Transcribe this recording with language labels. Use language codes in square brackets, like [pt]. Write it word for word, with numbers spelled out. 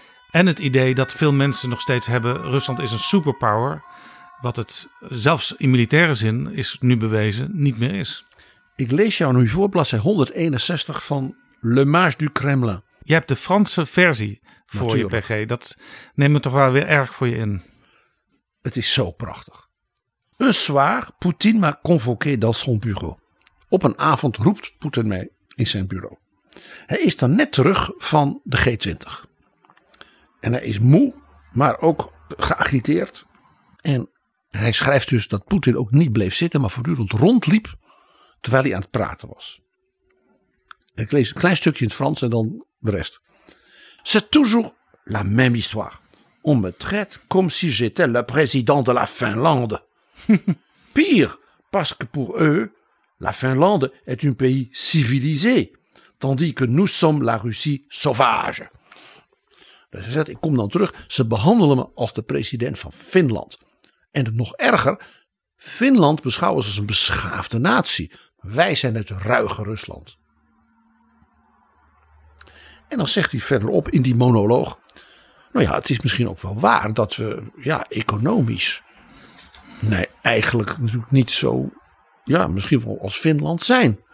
[nl] En het idee dat veel mensen nog steeds hebben, Rusland is een superpower, wat het zelfs in militaire zin is nu bewezen niet meer is. Ik lees jou nu voor bladzij honderdeenenzestig van Le Mage du Kremlin. Je hebt de Franse versie voor natuurlijk. Je P G, dat neemt me toch wel weer erg voor je in. Het is zo prachtig. [fr] Un soir, Poutine m'a convoqué dans son bureau. [nl] Op een avond roept Poetin mij in zijn bureau. Hij is dan net terug van de G twintig. En hij is moe, maar ook geagiteerd. En hij schrijft dus dat Poetin ook niet bleef zitten, maar voortdurend rondliep terwijl hij aan het praten was. Ik lees een klein stukje in het Frans en dan de rest. [fr] C'est toujours la même histoire. on me traite comme si j'étais le président de la Finlande. Pire, parce que pour eux, la Finlande est un pays civilisé, tandis que nous sommes la Russie sauvage. [nl] Dus hij zegt, ik kom dan terug, ze behandelen me als de president van Finland. En nog erger, Finland beschouwen ze als een beschaafde natie. Wij zijn het ruige Rusland. En dan zegt hij verderop in die monoloog, nou ja, het is misschien ook wel waar dat we, ja, economisch, nee, eigenlijk natuurlijk niet zo, ja, misschien wel als Finland zijn.